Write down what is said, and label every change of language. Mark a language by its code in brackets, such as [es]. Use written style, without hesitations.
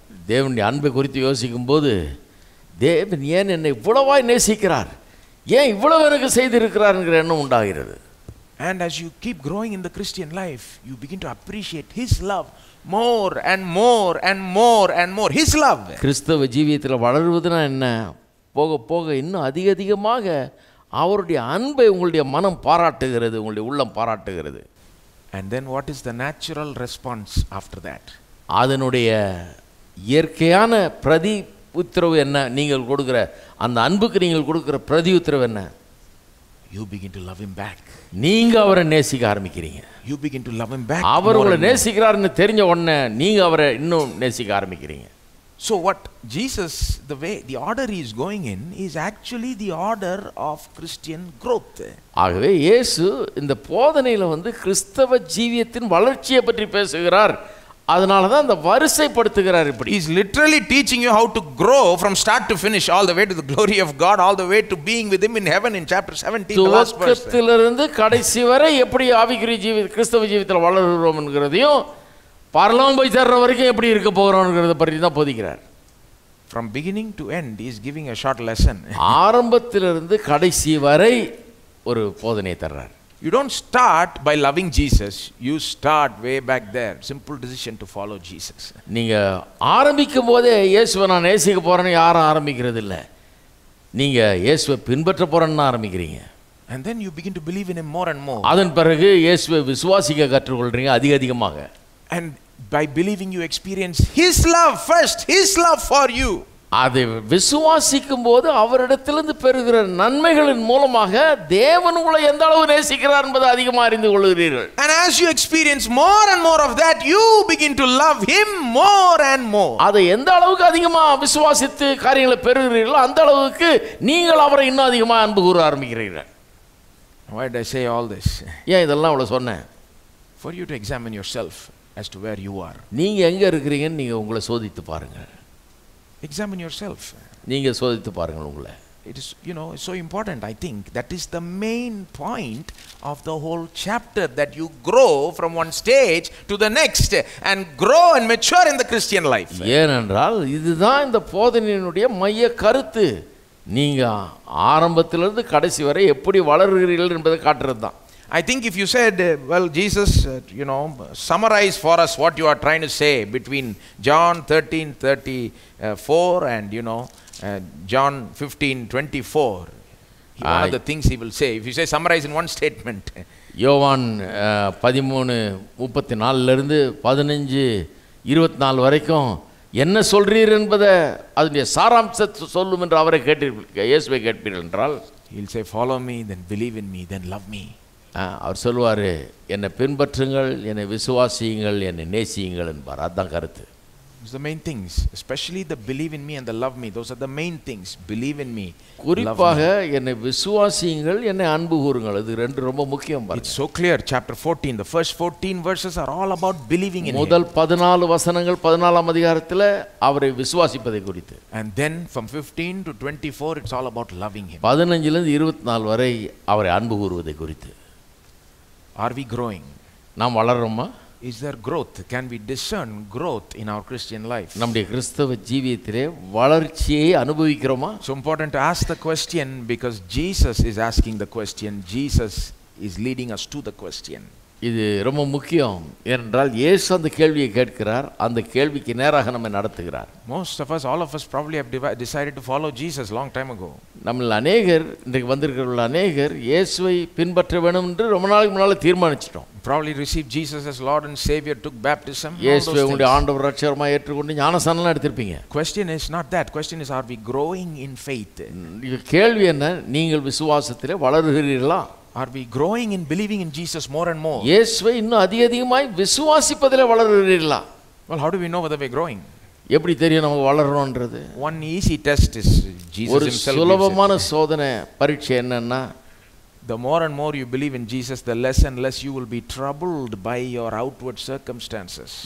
[ta] தேவனுடைய அன்பை குறித்து யோசிக்கும் போது தேவன் ஏன் என்னை இவ்வளவாய் நேசிக்கிறார், ஏன் இவ்வளவு எனக்கு செய்திருக்கிறார் என்கிற எண்ணம் உண்டாகிறது. [en] And as you keep growing in the Christian life, you begin to appreciate his love more and more and more and more. His love. [ta] கிறிஸ்துவ ஜீவியத்தில் வளருவதுனா என்ன? போக போக இன்னும் அதிகமாக அவருடைய அன்பை உங்களுடைய மனம் பாராட்டுகிறது, உங்களுடைய உள்ளம் பாராட்டுகிறது. [en] And then what is the natural response after that? [ta] அதனுடைய இயற்கையான பிரதி உத்தரவு என்ன? நீங்கள் கொடுக்கிற அந்த அன்புக்கு நீங்கள் கொடுக்கிற பிரதி உத்தரவு என்ன? [en] You begin to love him back. [ta] நீங்க அவரை நேசிக்க ஆரம்பிக்கிறீங்க. [en] You begin to love him back. [ta] அவர்களை நேசிக்கிறாருன்னு தெரிஞ்ச உடனே நீங்க அவரை இன்னும் நேசிக்க ஆரம்பிக்கிறீங்க. [en] So what Jesus, the way, the order he is going in is actually the order of Christian growth. [ta] ஆகவே இயேசு இந்த போதனையில வந்து கிறிஸ்தவ ஜீவியத்தின் வளர்ச்சியை பற்றி பேசுகிறார். அதனால தான் அந்த வரிசைப்படுத்துகிறார். இப்படி [en] he is literally teaching you how to grow from start to finish, all the way to the glory of God, all the way to being with him in heaven in chapter 17, the last verse. [ta] துவக்கத்திலிருந்து கடைசி வரை எப்படி ஆவிக்குரிய ஜீவித்தை கிறிஸ்தவ ஜீவிதத்தில் வளருறோம் என்கிறதையும் பரலோகம் போய் சேர்ற வரைக்கும் எப்படி இருக்க போகிறோம்ங்கிறத பற்றி தான் போதிக்கிறார். [en] From beginning to end he is giving a short lesson. [ta] ஆரம்பத்திலிருந்து கடைசி வரை ஒரு போதனையை தர்றார். [en] You don't start by loving Jesus, you start way back there. Simple decision to follow Jesus. [ta] நீங்க ஆரம்பிக்கும் போதே இயேசுவை நான் நேசிக்க போறேன்னு யாரும் ஆரம்பிக்கிறது இல்ல. நீங்க இயேசுவை பின்பற்ற போறேன்னு ஆரம்பிக்கிறீங்க. [en] And then you begin to believe in him more and more. [ta] அதன் பிறகு இயேசுவை விசுவாசிக்க கற்றுக்கொள்றீங்க அதிகமாக. [en] And by believing you experience his love first, his love for you. [ta] அதை விசுவாசிக்கும் போது அவரிடத்திலிருந்து பெறுகிற நன்மைகளின் மூலமாக தேவன் உங்களை எந்த அளவு நேசிக்கிறார் என்பதை அதிகமாக அறிந்து கொள்கிறீர்கள். [en] And as you experience more and more of that, you begin to love him more and more. [ta] அதை எந்த அளவுக்கு அதிகமாக விசுவாசித்து காரியங்களை பெறுகிறீர்களோ அந்த அளவுக்கு நீங்கள் அவரை இன்னும் அதிகமாக அன்பு கூற ஆரம்பிக்கிறீர்கள். [en] Why did I say all this? [ta] ஏன் இதெல்லாம் அவ்வளவு சொன்னேன்? [en] For you to examine yourself as to where you are. [ta] நீங்க எங்க இருக்கிறீங்கன்னு நீங்க உங்களை சோதித்து பாருங்க. [en] Examine yourself. [ta] நீங்க சோதித்து பாருங்க உங்களை. [en] It is, you know, so important. I think that is the main point of the whole chapter, that you grow from one stage to the next and grow and mature in the Christian life. [ta] ஏனென்றால் இதுதான் இந்த போதனையினுடைய மைய கருத்து. நீங்க ஆரம்பத்திலிருந்து கடைசி வரை எப்படி வளர்கிறீர்கள் என்பதை காட்டுறதுதான். [en] I think if you said, well, Jesus, you know, summarize for us what you are trying to say between John 13:30 4 and you know John 15:24, one of the things he will say if you say summarize in one statement. [ta] யோவான் 13:34 ல இருந்து 15:24 வரைக்கும் என்ன சொல்றீர் என்பதை அதுடைய சாராம்சத்தை சொல்லும் என்று அவரை கேட்டிருப்பீர்கள். இயேசுவை கேட்பீர்கள் என்றால் [en] he will say follow me, then believe in me, then love me. [ta] அவர் சொல்வார், என்னை பின்பற்றுங்கள், என்னை விசுவாசியுங்கள், என்னை நேசியுங்கள் என்பார். அதான் கருத்து. [en] The main things, especially the believe in me and the love me, those are the main things. Believe in me, [ta] குறிப்பாக என்னை விசுவாசியுங்கள், என்னை அன்பு கூறுங்கள். இது ரெண்டு ரொம்ப முக்கியம். [en] It's so clear. Chapter 14, the first 14 verses are all about believing in him. [ta] முதல் 14 வசனங்கள் 14 அதிகாரத்தில் அவரை விசுவாசிப்பதை குறித்து. [en] And then from 15 to 24 it's all about loving him. [ta] 15 ல இருந்து 24 வரை அவரை அன்பு கூறுவதை குறித்து. [en] Are we growing? [ta] நாம் வளர்றோமா? [en] Is there growth? Can we discern growth in our Christian life? [ta] நம்முடைய கிறிஸ்தவ ஜீவியத்திலே வளர்ச்சியை அனுபவிக்கிறோமா? [en] So important to ask the question, because Jesus is asking the question. Jesus is leading us to the question. [ta] இது ரொம்ப முக்கியம். ஏனென்றால் இயேசு அந்த கேள்வியை கேட்கிறார், அந்த கேள்விக்கு நேராக நம்மை நடத்துகிறார். [en] Most of us, all of us probably have decided to follow Jesus long time ago. [ta] நம்மில் அநேகர், இன்றைக்கு வந்திருக்கிற அநேகர் இயேசுவை பின்பற்ற வேண்டும் என்று ரொம்ப நாளுக்கு முன்னால் தீர்மானிச்சிட்டோம். [en] Probably received Jesus as Lord and Savior, took baptism. Yes, we would [ta] ஆண்டவர் இரட்சகரமாய் ஏற்றுக்கொண்டு ஞானஸ்நானம் எடுத்திருப்பீங்க. [en] Question is not that. Question is, are we growing in faith? [ta] கேள்வி என்ன? நீங்கள் விசுவாசத்திலே வளருகிறீர்களா? [en] Are we growing in believing in Jesus more and more? Yes, we [ta] இன்னும் அதிகமாய் விசுவாசிப்பதிலே வளருகிறீர்களா? [en] Well, how do we know whether we're growing? [ta] எப்படி தெரியும் நம்ம வளரறோன்றது? [en] One easy test is Jesus [ta] ஒரு [en] himself. [ta] ஒரு சுலபமான சோதனை பரீட்சை என்னன்னா, [en] the more and more you believe in Jesus, the less and less you will be troubled by your outward circumstances.